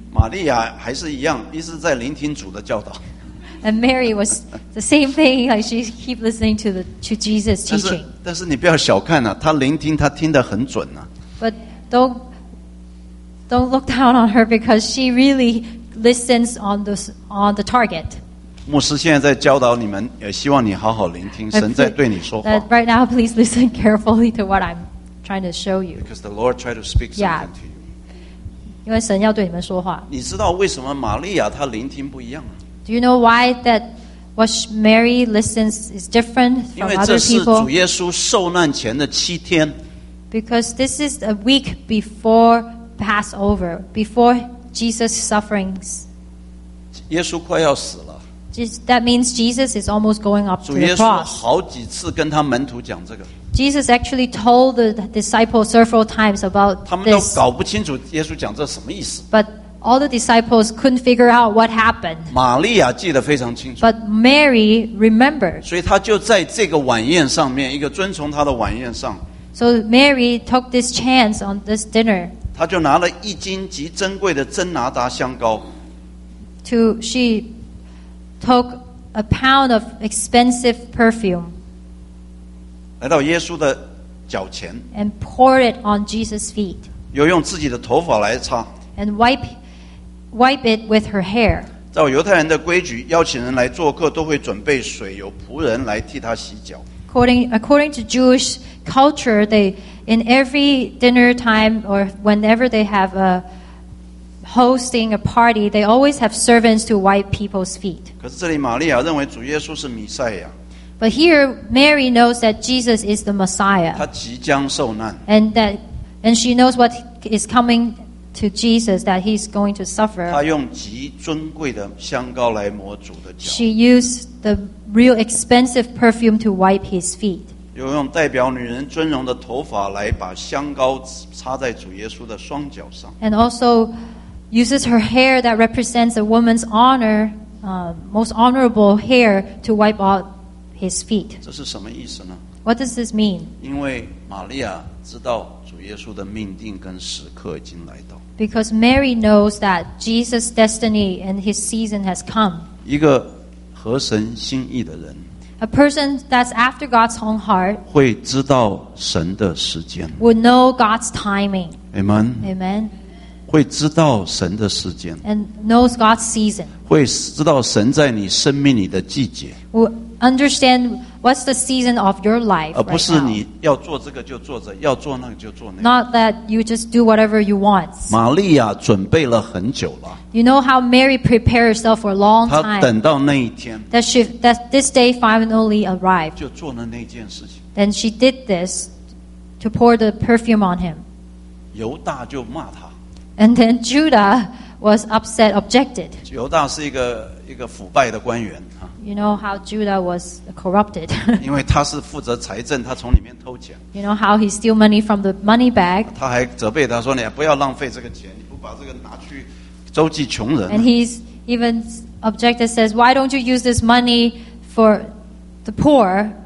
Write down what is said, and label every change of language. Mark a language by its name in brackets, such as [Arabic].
[Chinese] 玛利亚还是一样，一直在聆听主的教导。 [English] And Mary was the same thing, like she keep listening to Jesus teaching. [Chinese] 但是你不要小看了、啊，她聆听，她听得很准呢、啊。 [English] But don't look down on her because she really listens on the target. [Chinese] 牧师现在在教导你们，也希望你好好聆听，神在对你说话。 [English] Right now, please listen carefully to what I'm trying to show you. Because the Lord tried to speak something to you. [Chinese] 因为神要对你们说话。你知道为什么玛利亚她聆听不一样吗？ [English] Do you know why that what Mary listens is different from other people? [Chinese] 因为这是主耶稣受难前的七天。 [English] Because this is a week before Passover, before Jesus' sufferings. [Chinese] 耶稣快要死了。 [English] That means Jesus is almost going up to the cross. [Chinese] 主耶稣好几次跟他门徒讲这个。 [English] Jesus actually told the disciples several times about this. [Chinese] 他们都搞不清楚耶稣讲这什么意思。 [English] But all the disciples couldn't figure out what happened. [Chinese] 玛利亚记得非常清楚。 [English] But Mary remembered. [Chinese] 所以她就在这个晚宴上面，一个遵从她的晚宴上。 [English] So Mary took this chance on this dinner. [Chinese] 她就拿了一斤极珍贵的真拿达香膏。 [English] She took a pound of expensive perfume. [Chinese] 来到耶稣的脚前 [English] and pour it on Jesus' feet. [Chinese] 又用自己的头发来擦 [English] and wipe it with her hair. [Chinese] 照犹太人的规矩，邀请人来做客都会准备水，由仆人来替他洗脚。 [English] According to Jewish culture, they in every dinner time or whenever they have a hosting a party, they always have servants to wipe people's feet. [Chinese] 可是这里玛利亚认为主耶稣是弥赛亚。 [English] But here, Mary knows that Jesus is the Messiah. [Chinese] 他即将受难。 [English] And she knows what is coming to Jesus, that he's going to suffer. [Chinese] 他用极尊贵的香膏来抹主的脚。 [English] She used the real expensive perfume to wipe his feet. [Chinese] 又用代表女人尊荣的头发来把香膏插在主耶稣的双脚上。 [English] And also uses her hair that represents a woman's honor, most honorable hair, to wipe out his feet. [Chinese] 这是什么意思呢？ [English] What does this mean? [Chinese] 因为玛利亚知道主耶稣的命定跟时刻已经来到。 [English] Because Mary knows that Jesus' destiny and his season has come. [Chinese] 一个合神心意的人。 [English] A person that's after God's own heart [Chinese] 会知道神的时间 [English] would know God's timing. Amen. Amen. [Chinese] 会知道神的时间 [English] and knows God's season. [Chinese] 会知道神在你生命里的季节 [English] would understand what's the season of your life. [Chinese] 而不是你要做这个就做着，要做那个就做那个。 [English] Not that you just do whatever you want. [Chinese] 玛利亚准备了很久了。 [English] You know how Mary prepared herself for a long time. [Chinese] 她等到那一天。 [English] That this day finally arrived. [Chinese] 就做了那件事情。 [English] Then she did this to pour the perfume on him. [Chinese] 犹大就骂她。 [English] And then Judah was upset, objected. [Chinese] 犹大是一个腐败的官员。 [English] You know how Judah was corrupted. [Chinese] 因为他是负责财政，他从里面偷钱。 [English] You know how he steal money from the money bag. [Chinese] 他还责备他说：“你不要浪费这个钱，你不把这个拿去周济穷人。” [English] And he's even objected, says, "Why don't you use this money for the poor?